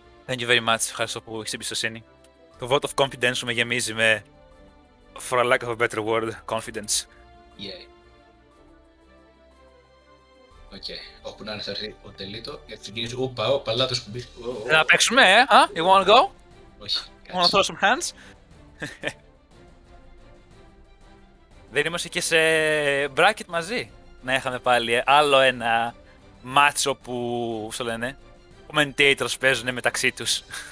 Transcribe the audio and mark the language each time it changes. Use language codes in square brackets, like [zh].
[en] Thank you very much, [el] ευχαριστώ που έχεις εμπιστοσύνη. Το vote of confidence σου με γεμίζει με [en] for a lack of a better word, [el] confidence. Yay. Okay, όπου να είναι θα έρθει ο Delito, γιατί γίνεται, ούπα, ο παλάτος που μπήκε. Θα παίξουμε, huh? [en] You wanna go? [el] Όχι, κάτσε. [en] Wanna throw some hands? [el] Δεν είμαστε και σε bracket μαζί, να είχαμε πάλι άλλο ένα μάτσο που, όπως το λένε, commentators παίζουν μεταξύ τους.